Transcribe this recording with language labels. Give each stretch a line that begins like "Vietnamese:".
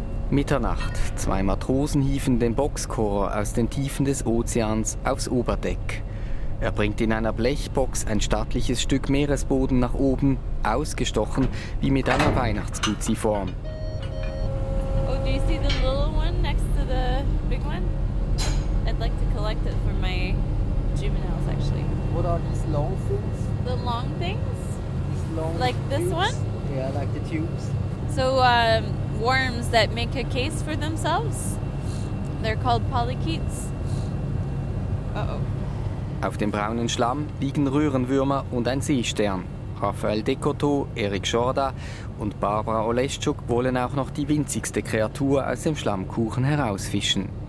German: Mitternacht. Zwei Matrosen hieven den Boxkorb aus den Tiefen des Ozeans aufs Oberdeck. Er bringt in einer Blechbox ein stattliches Stück Meeresboden nach oben, ausgestochen wie mit einer Weihnachtsguzziform.
English: Oh, do you see the little one next to the big one? I'd like to collect it for my juveniles, actually. What are these long things? The long things? These long like tubes? This one? Yeah, like the tubes. So worms that make a case for themselves. They're called polychaetes. Uh-oh.
German: Auf dem braunen Schlamm liegen Röhrenwürmer und ein Seestern. Raphael Decoteau, Eric Jorda und Barbara Oleschuk wollen auch noch die winzigste Kreatur aus dem Schlammkuchen herausfischen.